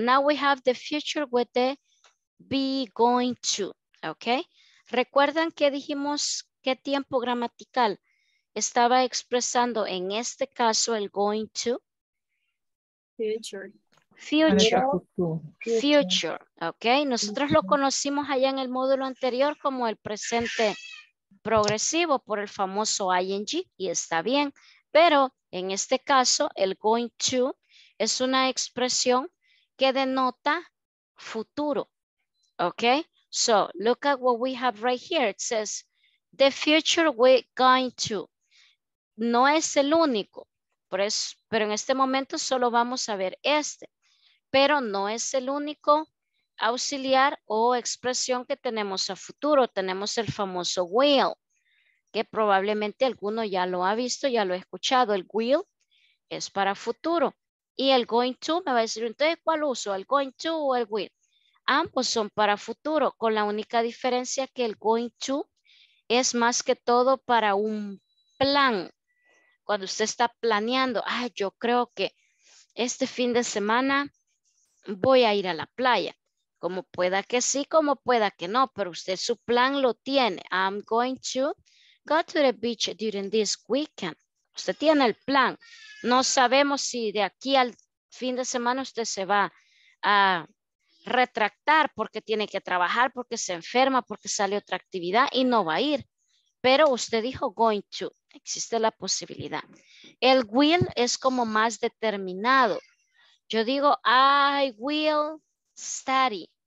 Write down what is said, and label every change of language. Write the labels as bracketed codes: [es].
[en] Now we have the future with the be going to. ¿Ok? [es] Recuerdan que dijimos qué tiempo gramatical estaba expresando en este caso el going to. [en] Future. Ok. [es] Nosotros lo conocimos allá en el módulo anterior como el presente progresivo por el famoso ing y está bien. Pero en este caso el going to es una expresión que denota futuro. Ok. [en] So look at what we have right here. It says the future we're going to. [es] No es el único. Pero en este momento solo vamos a ver este, pero no es el único auxiliar o expresión que tenemos a futuro. Tenemos el famoso will, que probablemente alguno ya lo ha visto, ya lo ha escuchado. El will es para futuro. Y el going to me va a decir, entonces, ¿cuál uso? ¿El going to o el will? Ambos son para futuro, con la única diferencia que el going to es más que todo para un plan. Cuando usted está planeando, ah, yo creo que este fin de semana voy a ir a la playa. Como pueda que sí, como pueda que no, pero usted su plan lo tiene. [en] I'm going to go to the beach during this weekend. [es] Usted tiene el plan. No sabemos si de aquí al fin de semana usted se va a retractar porque tiene que trabajar, porque se enferma, porque sale otra actividad y no va a ir. Pero usted dijo going to. Existe la posibilidad. El will es como más determinado. Yo digo, [en] I will study.